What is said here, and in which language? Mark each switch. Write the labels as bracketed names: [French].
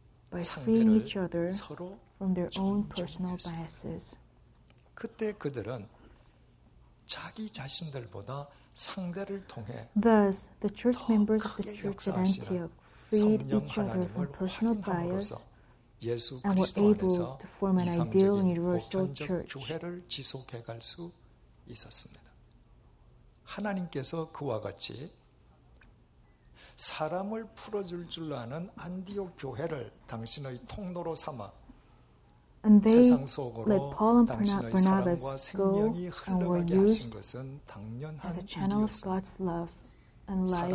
[English] By freeing each other from their own personal biases. [Korean] 그때 그들은 자기 자신들보다 상대를 통해 [English] Thus, the church members of the church at Antioch freed each other from personal bias and were able to form an ideal and universal church. [Korean] 교회를 지속해 갈 수 있었습니다. 하나님께서 그와 같이 사람을 풀어줄 줄 아는 안디옥 교회를 당신의 통로로 삼아 세상 속으로 당신의 사랑과 생명이 흘러가게 하신 것은 당연한 일이었습니다.